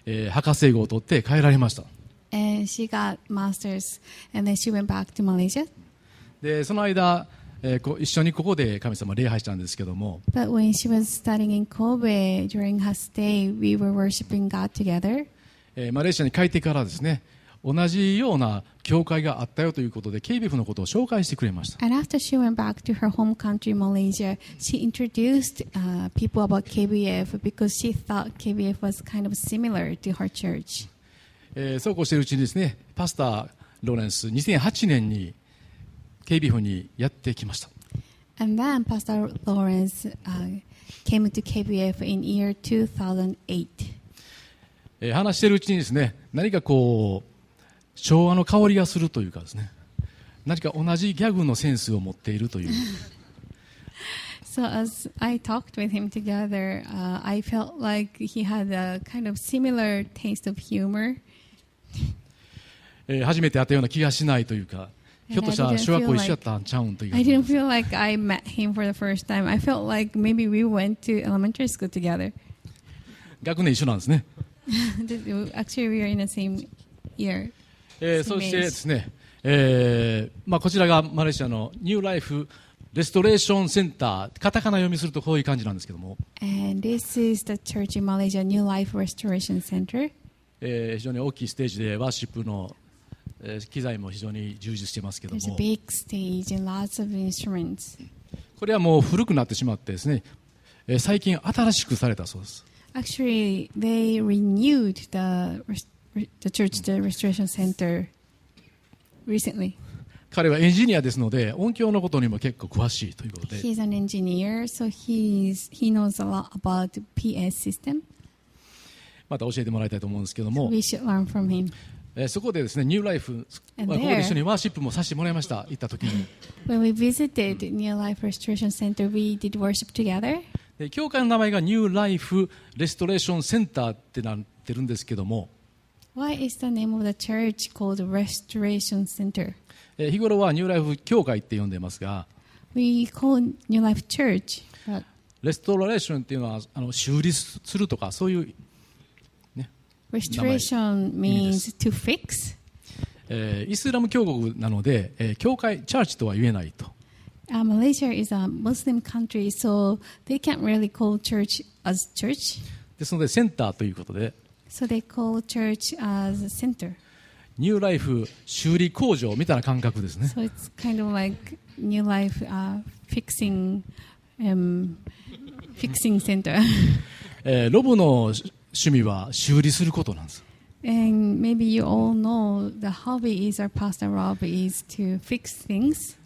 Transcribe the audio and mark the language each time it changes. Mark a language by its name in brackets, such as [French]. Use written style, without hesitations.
[Japanese] 博士号を取って帰られました。 [English] And she got master's, and then she went back to Malaysia. [Japanese] でその間、一緒にここで神様礼拝したんですけども。 [English] But when she was studying in Kobe during her stay, we were worshiping God together. [Japanese] マレーシアに帰ってからですね、同じような教会があったよということで、KBFのことを紹介してくれました。 [English] And after she went back to her home country, Malaysia, she introduced people about KBF because she thought KBF was kind of similar to her church. [Japanese] そうこうしているうちにですね、パスターローレンス、2008年に、KBF にやってきました。 [English] And then Pastor Lawrence came to KBF in year 2008. [Japanese] 話してるうちにですね、何かこう昭和の香りがするというかですね、何か同じギャグのセンスを持っているという。 [English] So as I talked with him together, I felt like he had a kind of similar taste of humor. [Japanese] 初めて会ったような気がしないというか。ひょっとしたら小学校一緒だったんちゃうんという。 [English] I didn't feel like I met him for the first time. I felt like maybe we went to elementary school together. [Japanese] 学年一緒なんですね。 [English] Actually, we are in the same year. [Japanese] そしてですね、まあこちらがマレーシアのニューライフレストレーションセンター。カタカナ読みするとこういう感じなんですけども。 [English] And this is the church in Malaysia, New Life Restoration Center. [Japanese] 非常に大きいステージでワーシップの機材も非常に充実してますけども。 [English] There's a big stage and lots of instruments. [Japanese] これはもう古くなってしまってですね、最近新しくされたそうです。 [English] Actually, they renewed the church, the restoration center recently. [Japanese] 彼はエンジニアですので、音響のことにも結構詳しいということで。 [English] He's an engineer, so he knows a lot about PA system. [Japanese] また教えてもらいたいと思うんですけども。 [English] We should learn from him. [Japanese] そこでですね、ニューライフ、ここで一緒にワーシップもさせてもらいました、行ったときに。 [English] When we visited New Life Restoration Center, we did worship together. [Japanese] で、教会の名前がニューライフレストレーションセンターってなってるんですけども。 [English] Why is the name of the church called Restoration Center? [Japanese] 日頃はニューライフ教会って呼んでますが。 [English] We call New Life Church. [Japanese] レストレーションっていうのは、修理するとか、そういう。 [English] Restoration means to fix. [Japanese] イスラム教国なので、教会、チャーチとは言えないと。 [English] Malaysia is a Muslim country, so they can't really call church as church. [Japanese] ですので、センターということで。 [English] So they call church as a center. [Japanese] ニューライフ修理工場みたいな感覚ですね。 [English] So it's kind of like New Life fixing, fixing center. [Japanese] ロブの趣味は修理することなんです。 [English] And maybe you all know the hobby is our pastor Rob is to fix things.